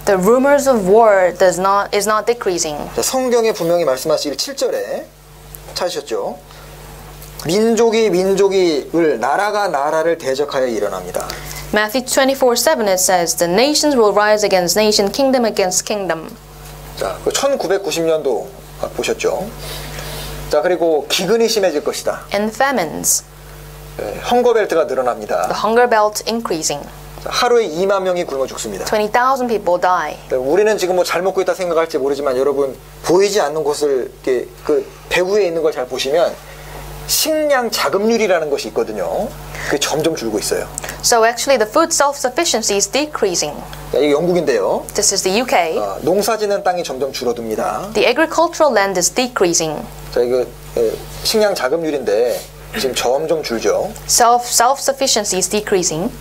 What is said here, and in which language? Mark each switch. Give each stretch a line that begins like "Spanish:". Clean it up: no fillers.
English: The rumors of war is not decreasing.
Korean: 자, 성경에 분명히 말씀하시길 7절에 찾으셨죠? 민족이 민족이를 나라가 나라를 대적하여 일어납니다.
English: Matthew 24:7 it says the nations will rise against nation, kingdom against kingdom.
Korean: 자, 그 1990년도 보셨죠? 자, 그리고 기근이 심해질 것이다.
English: And famines.
Korean: 예, 헝거 벨트가 늘어납니다.
English: The hunger belt increasing.
Korean: 하루에 2만 명이 굶어 죽습니다.
English: 20,000 people die.
Korean: 우리는 지금 뭐 잘 먹고 있다 생각할지 모르지만 여러분 보이지 않는 곳을 이렇게 그 배후에 있는 걸 잘 보시면 식량 자급률이라는 것이 있거든요. 그게 점점 줄고 있어요.
English: So actually the food self-sufficiency is decreasing.
Korean: 이게 영국인데요.
English: This is the UK.
Korean: 농사짓는 땅이 점점 줄어듭니다.
English: The agricultural land is decreasing.
Korean: 자, 이거 식량 자급률인데 지금 점점 줄죠.
English: Self-sufficiency is decreasing.